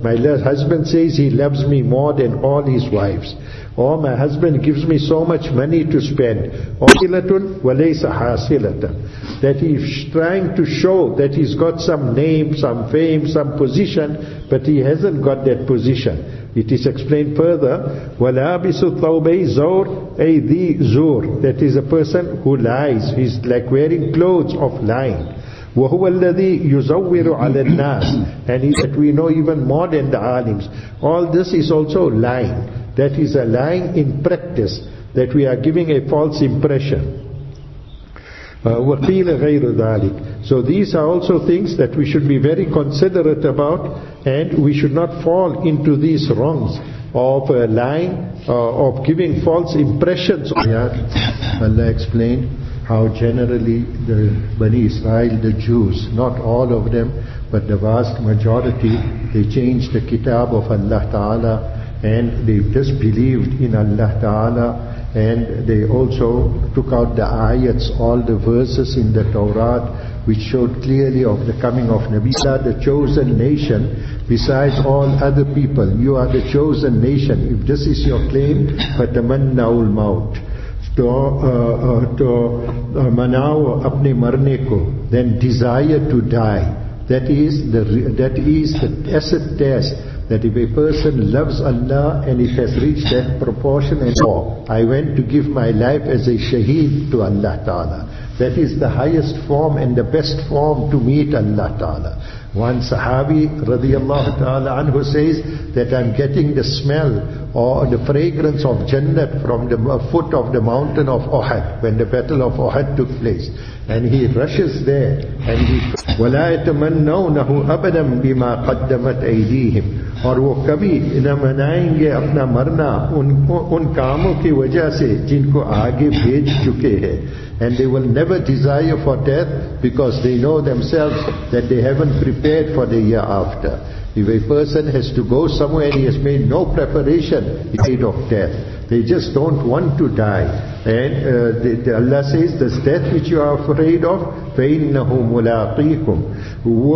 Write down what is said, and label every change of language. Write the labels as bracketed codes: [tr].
[en] My husband says he loves me more than all his wives. Or my husband gives me so much money to spend. That he's trying to show that he's got some name, some fame, some position, but he hasn't got that position. It is explained further, [ar] وَلَابِسُ الثَّوْبَيْ زُورْ أَيْ ذِي زُورْ. [en] That is a person who lies. He's like wearing clothes of lying. [ar] وَهُوَ الَّذِي يُزَوِّرُ عَلَى النَّاسِ. [en] And that we know even more than the alims. All this is also lying. That is a lying in practice, that we are giving a false impression. [ar] وَقِيلَ غَيْرُ ذَلِكَ. [en] So these are also things that we should be very considerate about, and we should not fall into these wrongs of lying, of giving false impressions. Allah explained how generally the Bani Israel, the Jews, not all of them, but the vast majority, they changed the kitab of Allah Ta'ala, and they disbelieved in Allah Ta'ala, and they also took out the ayats, all the verses in the Torah, which showed clearly of the coming of Nabi. You are the chosen nation besides all other people. You are the chosen nation. If this is your claim, [ar] فَتَمَنَّوا الْمَوْتِ تَوْ مَنَاوَ أَبْنِ مَرْنِكُ. [en] Then desire to die. That is the acid test. That if a person loves Allah and it has reached that proportion and more, I went to give my life as a shaheed to Allah Ta'ala. That is the highest form and the best form to meet Allah Ta'ala. One Sahabi radiallahu ta'ala anhu says that I'm getting the smell or the fragrance of Jannat from the foot of the mountain of Uhud, when the battle of Uhud took place. And he rushes there and he [ar] وَلَا يَتَمَنَّوْنَهُ أَبَدًا بِمَا قَدَّمَتْ أَيْدِيهِمْ. [ur] اور وہ کبھی نہ منائیں گے اپنا مرنا ان کاموں کی وجہ سے جن کو آگے بھیج چکے ہیں. [en] And they will never desire for death because they know themselves that they haven't prepared for the year after. If a person has to go somewhere and he has made no preparation, he's afraid of death. They just don't want to die. And Allah says, this death which you are afraid of, [ar] فَإِنَّهُ مُلَاقِيكُمْ.